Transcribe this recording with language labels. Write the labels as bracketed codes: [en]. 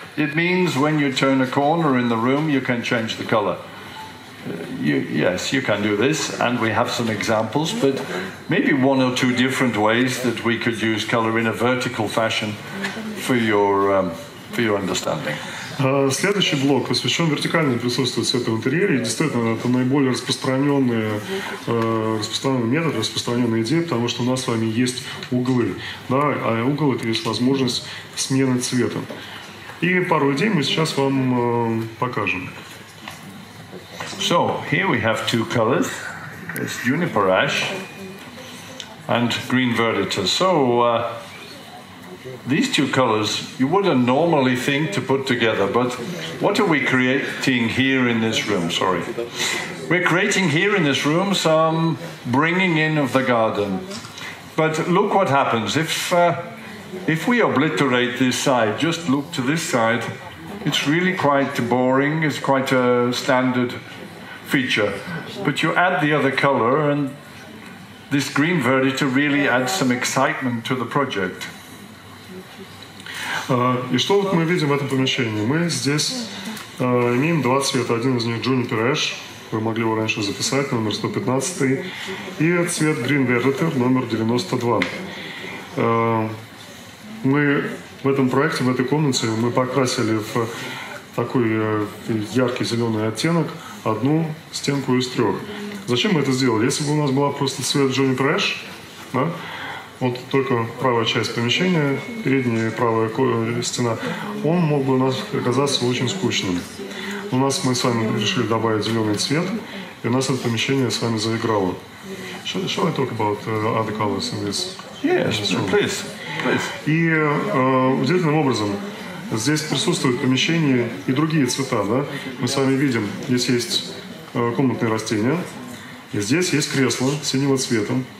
[en] It means when you turn a corner in the room, you can change the color. Yes, you can do this, and we have some examples, but maybe one or two different ways that we could use color in a vertical fashion for your understanding. [ru] Следующий блок посвящен вертикальному присутствию цвета в интерьере. И действительно, это наиболее распространенный метод, распространенная идея, потому что у нас с вами есть углы. Да? А угол – это есть возможность смены цвета. И пару идей мы сейчас вам покажем. [en] So, here we have two colors. It's juniper ash and green verditer. So, these two colors, you wouldn't normally think to put together, but what are we creating here in this room? Sorry. We're creating here in this room some bringing in of the garden. But look what happens. If we obliterate this side, just look to this side, it's really quite boring, it's quite a standard feature. But you add the other color and this green verditer really adds some excitement to the project. [ru] И что вот мы видим в этом помещении? Мы здесь имеем два цвета. Один из них Juniper Ash, вы могли его раньше записать, номер 115, и цвет Green Verditer, номер 92. Мы в этом проекте, в этой комнате, мы покрасили в такой яркий зеленый оттенок одну стенку из трех. Зачем мы это сделали? Если бы у нас была просто цвет Juniper Ash, да? Вот только правая часть помещения, передняя и правая стена, он мог бы у нас оказаться очень скучным. У нас мы с вами решили добавить зеленый цвет, и у нас это помещение с вами заиграло. [en] Shall I talk about other colors in this? Yes, please, please. [ru] И удивительным образом, здесь присутствуют помещения и другие цвета, да? Мы с вами видим, здесь есть комнатные растения, и здесь есть кресло синего цвета.